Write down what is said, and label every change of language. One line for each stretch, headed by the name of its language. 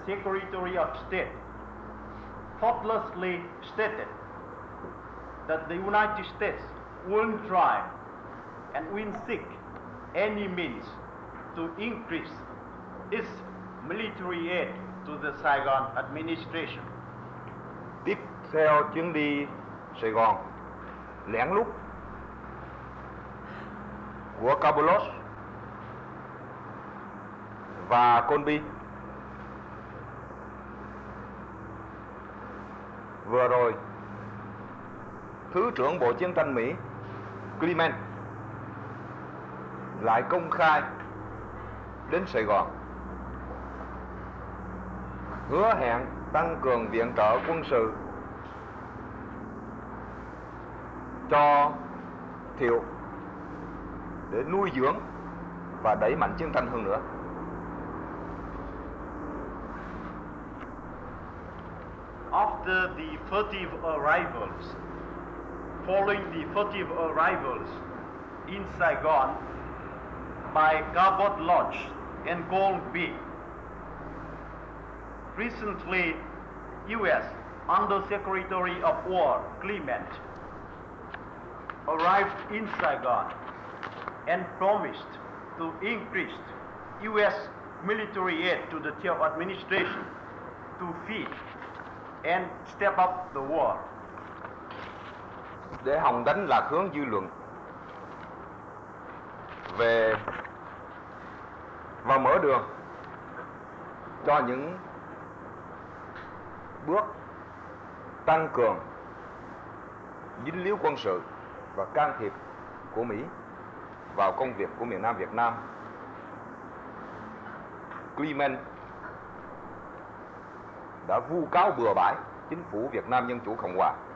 English: Secretary of State, thoughtlessly stated that the United States won't try and won't seek any means to increase its military aid to the Saigon administration.
Vietnamese: Tiếp theo chuyến đi Sài Gòn lén lút của Cabulos và Colby vừa rồi, Thứ trưởng Bộ Chiến tranh Mỹ Clement lại công khai đến Sài Gòn hứa hẹn tăng cường viện trợ quân sự cho Thiệu để nuôi dưỡng và đẩy mạnh chiến tranh hơn nữa.
English: After the furtive arrivals, following the furtive arrivals in Saigon, by Cabot Lodge in Gold Beach. Recently, U.S. Undersecretary of War Clement arrived in Saigon and promised to increase U.S. military aid to the Thieu administration to feed and step up the war.
Vietnamese: Để hòng đánh lạc hướng dư luận về và mở đường cho những bước tăng cường dính líu quân sự và can thiệp của Mỹ vào công việc của miền Nam Việt Nam, Clement đã vu cáo bừa bãi chính phủ Việt Nam Dân Chủ Cộng Hòa.